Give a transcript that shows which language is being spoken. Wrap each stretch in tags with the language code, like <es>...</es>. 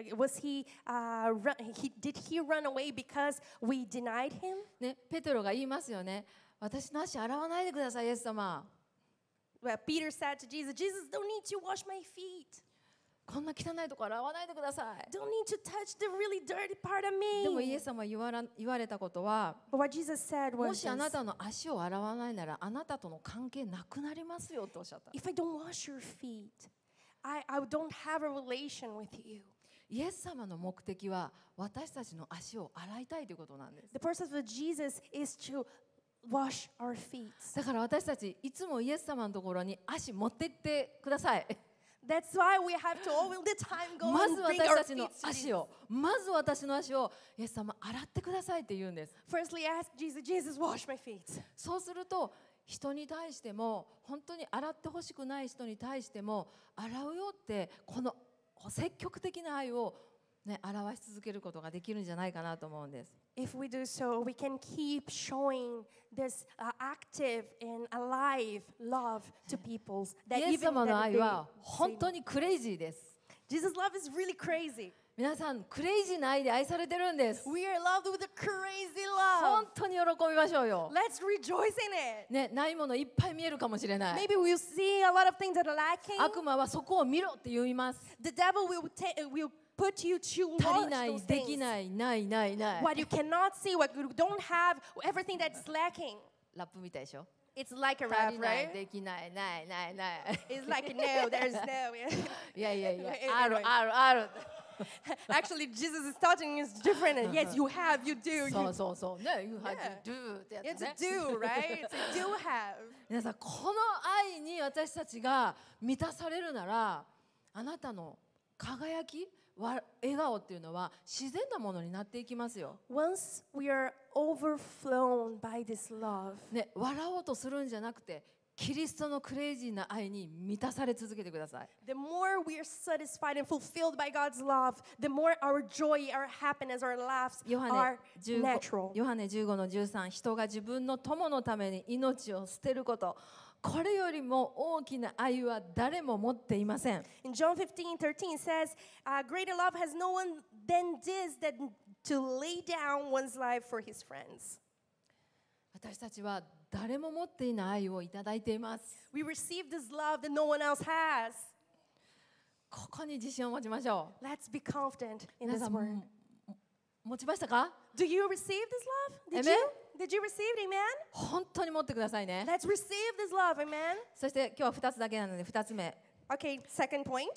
<en>Was he did he run away because we denied him?</en> <ja>ね、ペテロが言いますよね。私の足洗わないでください、イエス様。</ja> <en>Well, Peter said to Jesus, "Jesus, don't need to wash my feet."</en> <ja>こんな汚いところ洗わないでください。</ja> <en>Don't need to touch the really dirty part of me.</en> <ja>でもイエス様言われたことは、</ja> <en>But what Jesus said was,</en> <ja>もしあなたの足を洗わないならあなたとの関係なくなりますよとおっしゃった。</ja> <en>If I don't wash your feet. I don't have a relation with you.</en> <ja>イエス様の目的は私たちの足を洗いたいということなんです。</ja> <en>The purpose of Jesus is to wash our feet.</en> <ja>だから私たちいつもイエス様のところに足持ってってください。</ja> <en>That's why we have to all the time go and bring our feet to Jesus.</en> <ja>まず私の足をイエス様洗ってくださいって言うんです。</ja> <en>Firstly, ask Jesus, Jesus, wash my feet.</en> <ja>そうすると人に対しても本当に洗ってほしくない人に対しても洗うよってこの積極的な愛を、ね、表し続けることができるんじゃないかなと思うんです。</ja> <en>If we do so, we can keep showing this active and alive love to people. That even</en> <ja>イエス様の愛は本当にクレイジーです。</ja> <en>Jesus' love is really crazy.</en> <ja>皆さんクレイジーな愛で愛されてるんです。</ja> <en>We are loved with a crazy love.</en> <ja>本当に喜びましょうよ。</ja> <en>Let's rejoice in it.</en> <ja>ね、ないものいっぱい見えるかもしれない。</ja> <en>Maybe we'll see a lot of things that are lacking.</en> <ja>悪魔はそこを見ろって言います。</ja> <en>The devil will put you to watch those things.</en> <ja>足りない、できない、ない、ない、ない。</ja> <en>What you cannot see, what you don't have, everything that's lacking.</en> <ja>ラップみたいでしょ。</ja> <en>It's like a rap, right?</en> <ja>足りない、できない、ない、ない、ない。</ja> <en>It's like no, there's no. Yeah, yeah, yeah.</en> <ja>ある、ある、ある。</ja> <en>Actually, Jesus is starting is different. Yes, you have, you do.</en> <ja>そうそうそう。ね、</ja> <en>you have to do. It's a do, right? It's a do have.</en> <ja>皆さん、この愛に私たちが満たされるなら、あなたの輝き、笑顔っていうのは自然なものになっていきますよ。</ja> <en>Once we are overflown by this love.</en> <ja>ね、笑おうとするんじゃなくて、キリストのクレイジーな愛に満たされ続けてください。</ja> <en>The more we are satisfied and fulfilled by God's love, the more our joy, our happiness, our laughs are natural.</en> <ja>ヨハネ 15-13、人が自分の友のために命を捨てること、これよりも大きな愛は誰も持っていません。</ja> <en>In John 15:13 says, "Greater love has no one than this, that to lay down one's life for his friends."</en> <ja>私たちは誰も持っていない愛をいただいています。</ja> <en>We receive this love that no one else has.</en> <ja>ここに自信を持ちましょう。</ja> <en>Let's be confident in this word.</en> <ja>持ちましたか？</ja> <en>Do you receive this love? Did you? Did you receive it? Amen.</en> <ja>本当に持ってくださいね。</ja> <en>Let's receive this love. Amen.</en> <ja>そして今日は2つだけなので2つ目。</ja> <en>Okay, second point.</en>